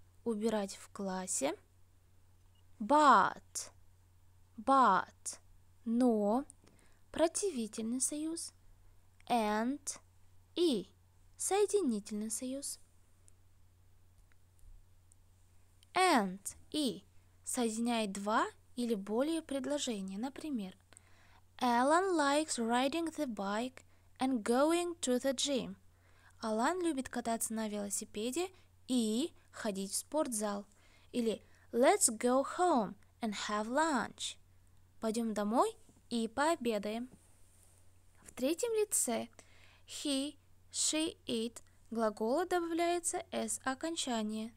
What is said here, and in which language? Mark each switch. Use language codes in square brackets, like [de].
[ru] Убирать в классе. [en] But. But. [ru] Но. Противительный союз. And. И. Соединительный союз. And и соединяет два или более предложения. Например, [en] Alan likes riding the bike and going to the gym. [ru] Alan любит кататься на велосипеде и ходить в спортзал. [en] Или Let's go home and have lunch. [ru] Пойдем домой и пообедаем. В третьем лице he, she, it глагола добавляется s окончание.